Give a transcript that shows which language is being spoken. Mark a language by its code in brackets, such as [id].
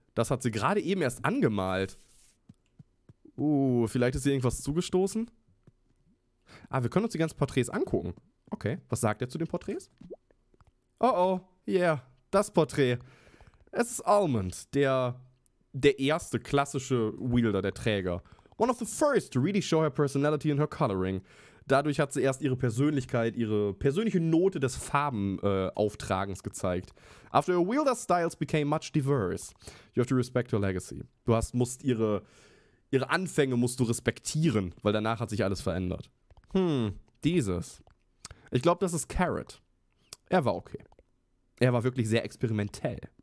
[de] Das hat sie gerade eben erst angemalt. Vielleicht ist ihr irgendwas zugestoßen? Ah, wir können uns die ganzen Porträts angucken. Okay, was sagt er zu den Porträts? Oh oh, yeah, das Porträt. Es ist Almond, der erste klassische Wielder, der Träger. [en] One of the first to really show her personality in her coloring. [de] Dadurch hat sie erst ihre Persönlichkeit, ihre persönliche Note des Farbenauftragens gezeigt. [en] After her wielder styles became much diverse, you have to respect her legacy. [de] Du hast, musst ihre Anfänge musst du respektieren, weil danach hat sich alles verändert. Hm, dieses. Ich glaube, das ist Carrot. Er war okay. Er war wirklich sehr experimentell.